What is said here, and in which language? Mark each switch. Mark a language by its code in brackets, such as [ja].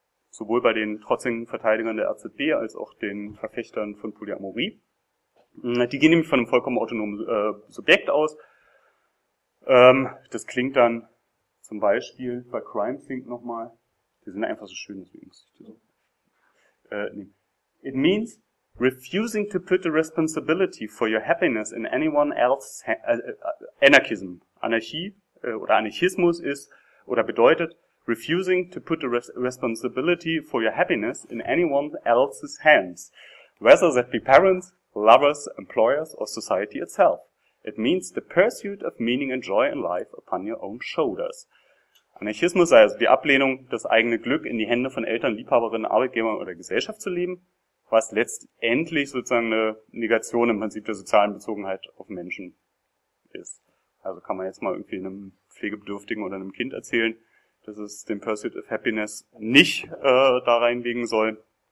[de] Sowohl bei den trotzigen Verteidigern der RZB als auch den Verfechtern von Polyamorie. Die gehen nämlich von einem vollkommen autonomen Subjekt aus. Das klingt dann zum Beispiel bei Crimethink nochmal. Die sind einfach so schön, deswegen muss ich das so. [en] It means refusing to put the responsibility for your happiness in anyone else's Anarchism. [de] Anarchie oder Anarchismus ist oder bedeutet [en] refusing to put the responsibility for your happiness in anyone else's hands. Whether that be parents, lovers, employers, or society itself. It means the pursuit of meaning and joy in life upon your own shoulders. [de] Anarchismus sei also die Ablehnung, das eigene Glück in die Hände von Eltern, Liebhaberinnen, Arbeitgebern oder Gesellschaft zu leben, was letztendlich sozusagen eine Negation im Prinzip der sozialen Bezogenheit auf Menschen ist. Also kann man jetzt mal irgendwie einem Pflegebedürftigen oder einem Kind erzählen, dass es den Pursuit of Happiness nicht da reinlegen soll.